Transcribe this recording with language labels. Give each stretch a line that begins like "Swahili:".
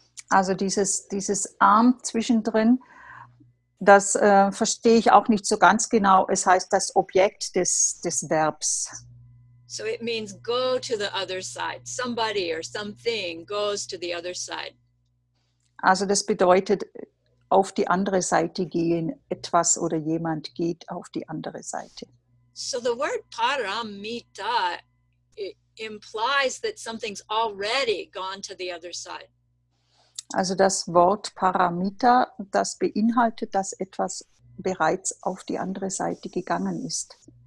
German: Also dieses Arm zwischendrin, das verstehe ich auch nicht so ganz genau. Es heißt das Objekt des Verbs.
English: So it means go to the other side. Somebody or something goes to the other side.
German: Also das bedeutet, auf die andere Seite gehen, etwas oder jemand geht auf die andere Seite.
English: So the word paramita implies that something's already gone to the other side.
German: Also das Wort Paramita, das beinhaltet, dass etwas bereits auf die andere Seite gegangen ist.